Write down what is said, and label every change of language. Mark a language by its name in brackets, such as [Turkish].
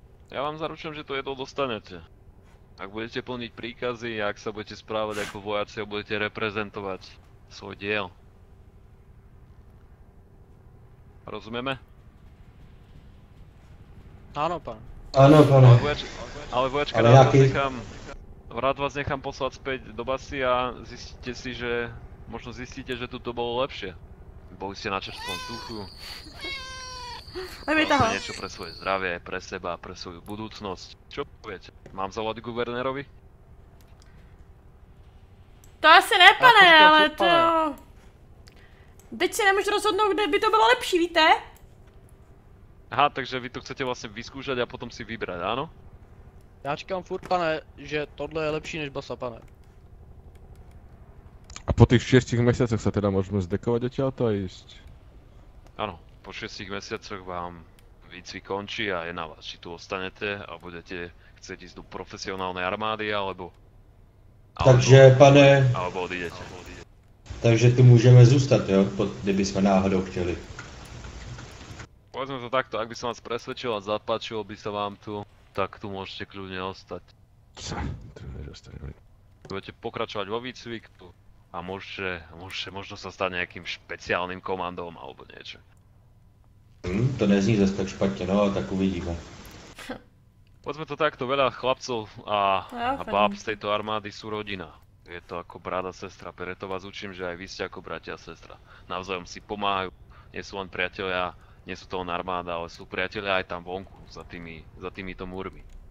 [Czech] Já vám zaručím, že to jedlo dostanete. [Slovak] Ak budete plniť príkazy, ak sa budete správať ako vojaci a budete reprezentovať svoj diel. Rozumieme? Áno, pán. Áno, pán. Ale vojačka, rád vás nechám poslať späť do basy a zistíte si, že... Možno zistíte, že tu to bolo lepšie. Boli ste na čerstvom duchu. Robíte ho. Niečo pre svoje zdravie, pre seba, pre svoju budúcnosť. Čo poviete? Mám zavolať guvernérovi? [Czech] To asi ne, pane, ale to... [Slovak] Teď si nemôžu rozhodnúť, kde by to bolo lepší, víte? Aha, takže vy to chcete vlastne vyskúšať a potom si vybrať, áno? [Czech] Ja čekám furt, pane, že tohle je lepší než basa, pane. [Slovak] A po tých 6 mesiacoch sa teda môžeme zdekovať odtiaľto a ísť? Áno. Po 6 mesiacoch vám výcvik končí a je na vás, či tu ostanete a budete chcieť ísť do profesionálnej armády, alebo... Takže, pane... Alebo odídete. Takže tu môžeme zústať, jo? [Czech] Kdyby sme náhodou chteli. [Slovak] Povedzme to takto, ak by som vás presvedčil a zapáčilo by sa vám tu, tak tu môžete kľudne ostať. [Czech] Co? Tu nedostaneme. [Slovak] Budete pokračovať vo výcviku a môžete možno sa stať nejakým špeciálnym komandom alebo niečo. [Czech] To nezní zase tak špatne, no, tak uvidíme. [Slovak] Poďme to takto, veľa chlapcov a báb z tejto armády sú rodina. Je to ako brat a sestra, preto vás učím, že aj vy ste ako bratia a sestra. Navzájom si pomáhajú, nie sú len priatelia, nie sú to len armáda, ale sú priatelia aj tam vonku, za týmito múrmi.